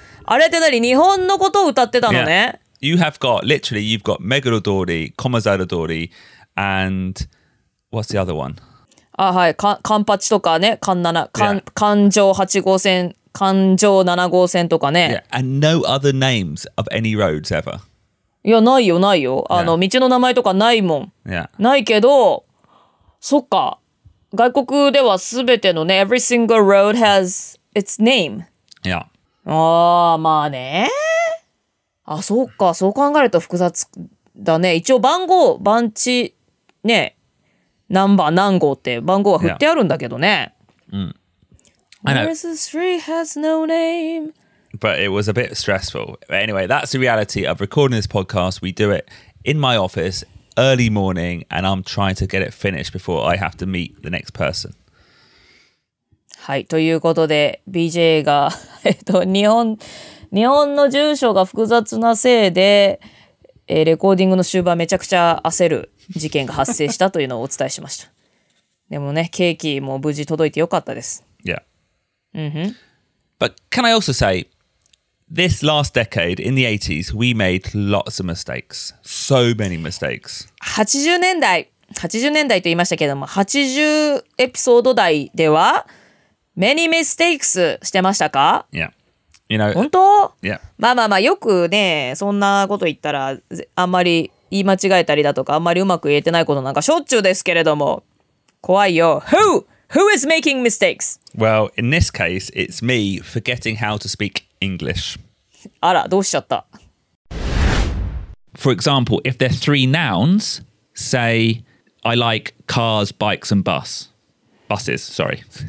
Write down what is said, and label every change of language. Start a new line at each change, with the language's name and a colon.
Japanese: あれって何？日本のことを歌ってたのね。
English: Yeah. You have got, literally, you've got Meguro Dori, Komazawa Dori, and what's the other one?
Japanese: Ah, hi, Kanpachi とかね、Kanjou 8号線、Kanjou 7号線とかね。
English: Yeah, and no other names of any roads ever.
Japanese: いや、ないよ、ないよ。あの、道の名前とかないもん。
English: Yeah.
Japanese: ないけど、そっか。外国ではすべてのね、
English: every single road has its name. Yeah.
Japanese: あー、まあね。あ、そうか。そう考えると複雑だね。一応番号、番地、ね、ナンバー何号って番号は振ってあるんだけどね。うん。
English: Where's the street has no name? But it was a bit stressful. Anyway, that's the reality of recording this podcast. We do it in my office early morning and I'm trying to get it finished before I have to meet the next person.
Japanese: はい。ということで、BJ が日本の住所が複雑なせいで、レコーディングの終盤めちゃくちゃ焦る事件が発生したというのをお伝えしました。でもね、ケーキも無事届いてよかったです。
English: Yeah. Mm-hmm. But can I also say, this last decade in the 80s, we made lots of mistakes. So many mistakes.
Japanese: 80年代、80年代と言いましたけども、80エピソード台では、
English: many mistakes
Japanese: してましたか？
English: Yeah. You know,
Japanese: 本当？
English: Yeah.
Japanese: まあまあまあよくねそんなこと言ったらあんまり言い間違えたりだとかあんまりうまく言えてないことなんかしょっちゅうですけれども怖いよ。
English: Who is making mistakes? Well, in this case, it's me forgetting how to speak English.
Japanese: あらどうしちゃった？
English: For example, if there are three nouns, say I like cars, bikes and buses, sorry.